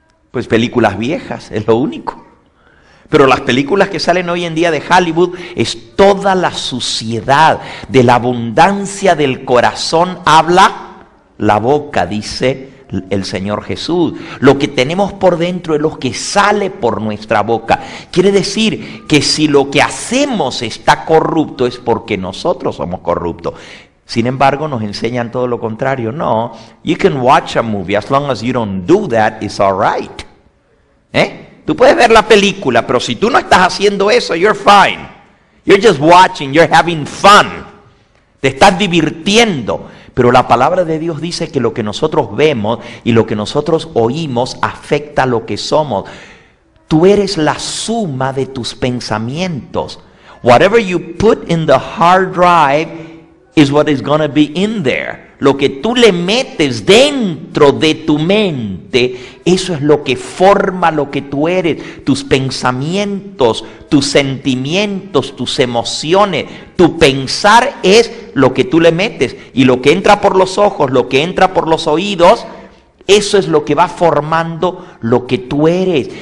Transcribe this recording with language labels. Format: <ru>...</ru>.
<es>Pues películas viejas, es lo único. Pero las películas que salen hoy en día de Hollywood es toda la suciedad, de la abundancia del corazón habla la boca, dice el Señor Jesús. Lo que tenemos por dentro es lo que sale por nuestra boca. Quiere decir que si lo que hacemos está corrupto es porque nosotros somos corruptos. Sin embargo, nos enseñan todo lo contrario.</es> <en>No, you can watch a movie as long as you don't do that, it's all right.</en> <es>Tú puedes ver la película, pero si tú no estás haciendo eso,</es> <en>you're fine. You're just watching, you're having fun.</en> <es>Te estás divirtiendo. Pero la palabra de Dios dice que lo que nosotros vemos y lo que nosotros oímos afecta lo que somos. Tú eres la suma de tus pensamientos.</es> <en>Whatever you put in the hard drive is what is going to be in there.</en> <es>Lo que tú le metes dentro de tu mente, eso es lo que forma lo que tú eres. Tus pensamientos, tus sentimientos, tus emociones. Tu pensar es lo que tú le metes. Y lo que entra por los ojos, lo que entra por los oídos, eso es lo que va formando lo que tú eres.</es>